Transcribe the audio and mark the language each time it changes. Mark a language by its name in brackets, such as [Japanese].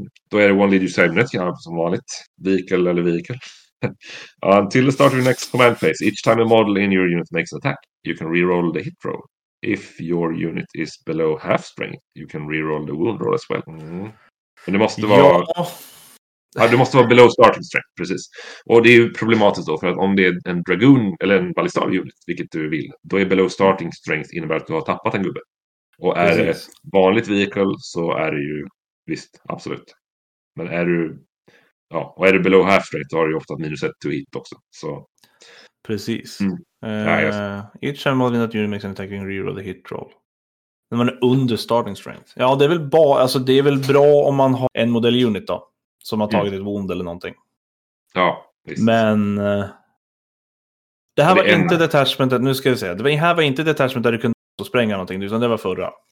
[Swedish] Då är det One Leader Cybernet som vanligt. Vehicle eller vehicle. [English] Until the start of your next command phase, each time a model in your unit makes an attack, you can reroll the hit roll. If your unit is below half strength, you can reroll the wound roll as well. [Swedish] Men det måste vara... Ja, det måste vara below starting strength, precis. Och det är ju problematiskt då, för att om det är en dragoon eller en ballistar unit, vilket du vill, då är below starting strength innebär att du har tappat en gubbe. Och är precis. Det ett vanligt vehicle så är det ju, visst, absolut. Men är du... ja, och är det below half rate så har du ju ofta minus 1 to hit också. Så. Precis. [English] Each time modern that unit makes an attack, you can reroll the hit roll. [Swedish] När man är under starting strength. Ja, det är väl alltså det är väl bra om man har en modell unit då. Som har tagit ett wound eller någonting. Ja, visst. Men det här var inte detachmentet, nu ska jag säga. Det här var inte detachmentet där du kunde spränga någonting, utan det var förra.